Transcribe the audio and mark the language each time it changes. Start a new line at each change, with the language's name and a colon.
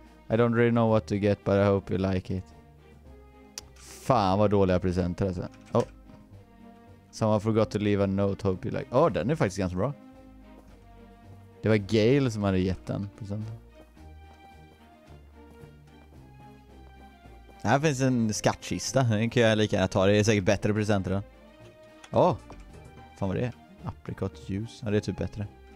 English: I don't really know what to get, but I hope you like it.
Swedish: Fan, vad dåliga presenter alltså.
English: Someone forgot to leave a note, hope you like.
Swedish: Den är faktiskt ganska bra. Det var Gail som hade gett den presenten. Här finns en skattkista. Den kan jag lika gärna ta. Det är säkert bättre presenter då. Fan vad det är. Apricot juice. Ja, det är typ bättre.